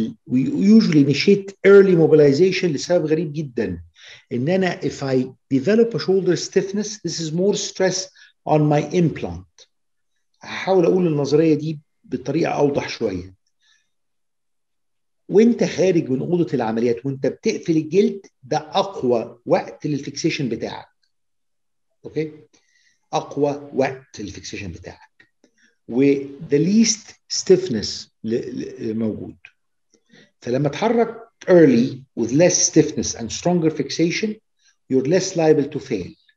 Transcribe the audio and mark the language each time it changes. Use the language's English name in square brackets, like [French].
[English] We usually initiate early mobilization لسبب غريب جدا ان انا if I develop a shoulder stiffness this is more stress on my implant. [Arabic] هحاول اقول النظرية دي بطريقة اوضح شوية. وانت خارج من اوضة العمليات وانت بتقفل الجلد ده اقوى وقت للفيكسيشن بتاعك. اوكي؟ اقوى وقت الفيكسيشن بتاعك و [English] the least stiffness [Arabic] موجود. فلما تحرك [English] early with less stiffness and stronger fixation you're less liable to fail.